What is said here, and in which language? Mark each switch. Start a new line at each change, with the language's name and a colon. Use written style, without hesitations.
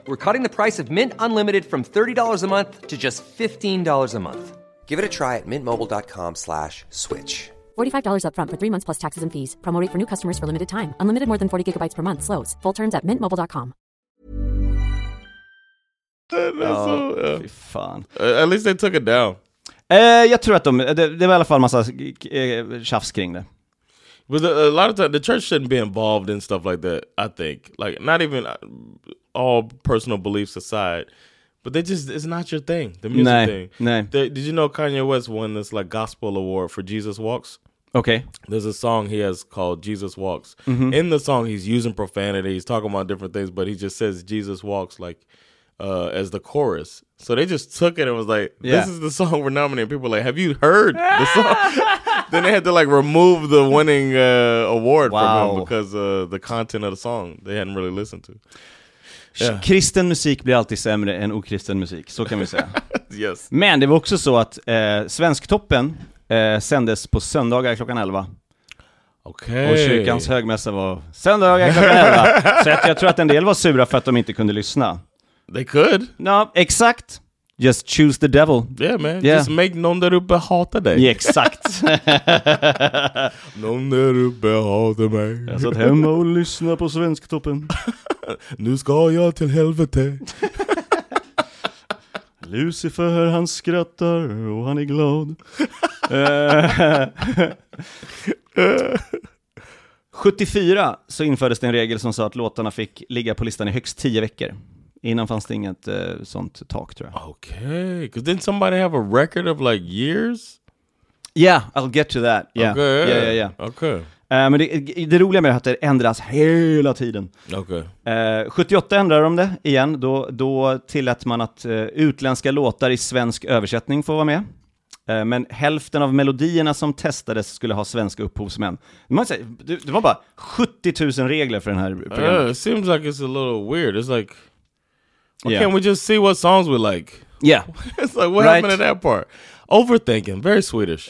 English: We're cutting the price of Mint Unlimited from $30 a month to just $15 a month. Give it a try at mintmobile.com/switch. $45 up front for 3 months plus taxes and fees. Promo rate for new customers for limited time. Unlimited more than 40 gigabytes per month slows. Full terms at mintmobile.com.
Swedish: Fy fan.
English: At least they took it down.
Swedish: Jag tror att det var i alla fall massa tjafs kring det.
English: But a lot of times the church shouldn't be involved in stuff like that, I think. Like, not even all personal beliefs aside, but they just, it's not your thing, the music thing.
Swedish: Nej.
English: Did you know Kanye West won this like gospel award for Jesus Walks? Okay. There's a song he has called Jesus Walks. Mm-hmm. In the song he's using profanity, he's talking about different things, but he just says Jesus Walks like as the chorus. So they just took it and was like, this is the song we're nominating. People were like, have you heard the song? Then they had to like remove the winning award from him because the content of the song they hadn't really listened to. Yeah.
Swedish: Kristen musik blir alltid sämre än okristen musik, så kan vi säga.
English: Yes.
Swedish: Men det var också så att Svensktoppen sändes på söndagar klockan 11.
English: Okay.
Swedish: Och kyrkans högmässa var söndagar klockan 11. Så att jag tror att en del var sura för att de inte kunde lyssna.
English: They could. No, exakt. Just choose the devil. Yeah, man. Yeah.
Swedish: Just make någon där uppe hata dig. Ja, exakt. Någon där uppe hata mig. Jag satt hemma och lyssnade på Svensktoppen. Nu ska jag till helvete. Lucifer, han skrattar och han är glad. 74 så infördes det en regel som sa att låtarna fick ligga på listan i högst 10 veckor. Innan fanns det inget sånt tak, tror jag.
English: Okay, because didn't somebody have a record of like years? Yeah, I'll get to that. Yeah. Okay. Yeah. Okay.
Swedish: Men det roliga med det är att det ändras hela tiden.
English: Okay.
Swedish: 78 ändrade de det igen. Då tillät man att utländska låtar i svensk översättning får vara med. Men hälften av melodierna som testades skulle ha svenska upphovsmän. Det var bara 70 000 regler för den här programmet.
English: It seems like it's a little weird. It's like... Well, can't we just see what songs we like? Yeah. It's like, what happened to that part? Overthinking, very Swedish.